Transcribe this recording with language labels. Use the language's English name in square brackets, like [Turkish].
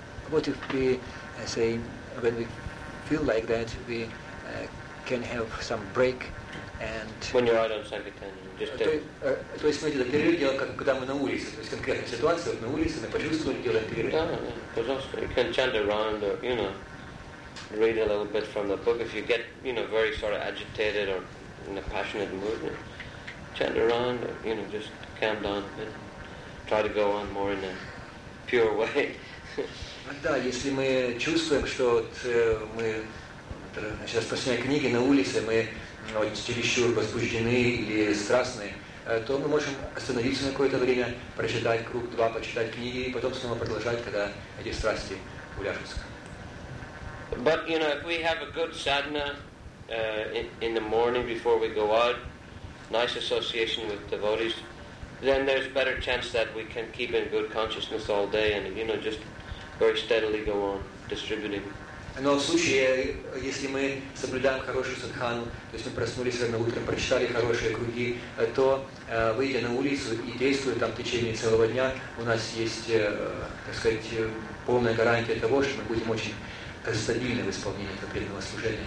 [English] What if we say, when we feel like that, we can have some break? And when you're out on Sankirtan, just [Russian] то есть мы делаем перерыв, делаем как когда мы на улице, то есть конкретная ситуация на улице, мы почувствовали, делаем перерыв. Да, пожалуйста, [English] you can chant around or you know read a little bit from the book if you get you know very sort of agitated or in a passionate mood, chant around or you know just calm down and try to go on more in a pure way. [Russian] Да, если мы чувствуем, что мы сейчас прочитаем книги на улице, мы чересчур возбуждены или страстны, то мы можем остановиться на какое-то время, прочитать круг два, почитать книги, и потом снова продолжать, когда эти страсти уляжутся. [English] But you know, if we have a good sadhana in the morning before we go out, nice association with devotees, then there's better chance that we can keep in good consciousness all day and you know just very steadily go on distributing. [Russian] Но в случае, если мы соблюдаем хорошую садхану, то есть мы проснулись рано утром, прочитали хорошие круги, то выйдя на улицу и действуя там в течение целого дня, у нас есть, так сказать, полная гарантия того, что мы будем очень стабильны в исполнении этого преданного служения.